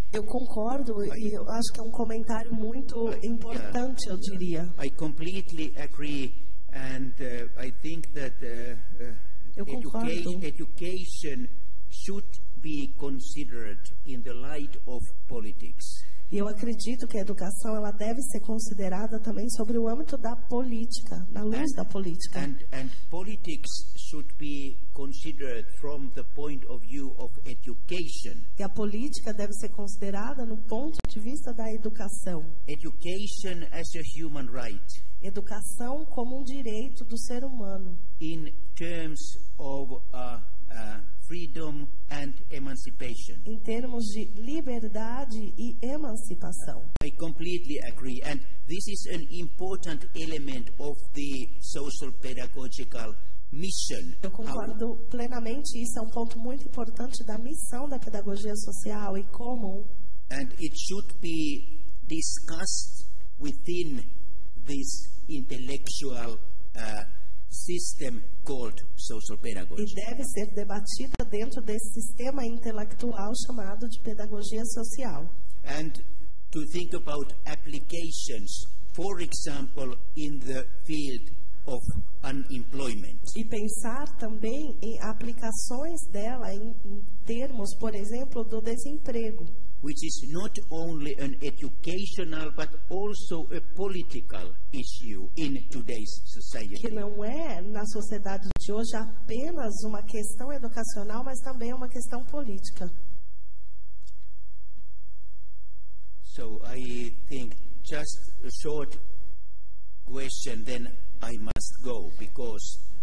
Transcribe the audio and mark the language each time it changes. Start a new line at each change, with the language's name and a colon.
Portuguese: Eu concordo e eu acho que é comentário muito importante, eu diria.
English: I completely agree, and I think that education should be considered in the light of politics.
Portuguese: E eu acredito que a educação ela deve ser considerada também sobre o âmbito da política, na luz da política.
English: And politics should be considered from the point of view of education.
Portuguese: E a política deve ser considerada no ponto de vista da educação.
English: Education as a human right.
Portuguese: Educação como um direito do ser humano.
English: In terms of freedom and emancipation.
Portuguese: Em termos de liberdade e emancipação.
English: I completely agree, and this is an important element of the social pedagogical mission.
Portuguese: Eu concordo plenamente, isso é ponto muito importante da missão da pedagogia social e como.
English: And it should be discussed within this intellectual system called social pedagogy.
Portuguese: E deve ser debatida dentro desse sistema intelectual chamado de pedagogia social.
English: And to think about applications, for example, in the field of unemployment.
Portuguese: E pensar também em aplicações dela em termos, por exemplo, do desemprego.
English: Which is not only an educational but also a political issue in today's society.
Portuguese: Que não é na sociedade de hoje apenas uma questão educacional, mas também uma questão política.
English: So I think just a short question, then I must go because